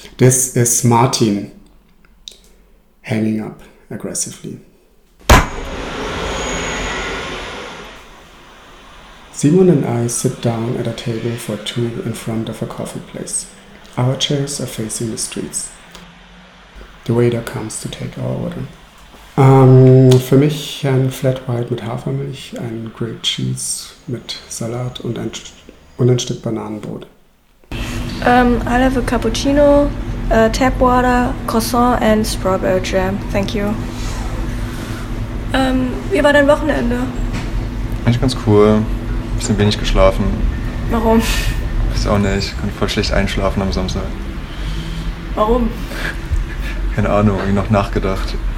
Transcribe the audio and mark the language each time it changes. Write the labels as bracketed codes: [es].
[en] This is Martin. Hanging up aggressively. 7 and I sit down at a table for two in front of a coffee place. Our chairs are facing the streets. The waiter comes to take our order. [de] Für mich ein Flat White mit Hafermilch, ein Grilled Cheese mit Salat und ein Stück Bananenbrot. [en] I'll have a cappuccino, a tap water, croissant and strawberry jam. Thank you. [de] Wie war dein Wochenende? Eigentlich ganz cool. Bisschen wenig geschlafen. Warum? Weiß auch nicht. Kann voll schlecht einschlafen am Samstag. Warum? Keine Ahnung, irgendwie noch nachgedacht.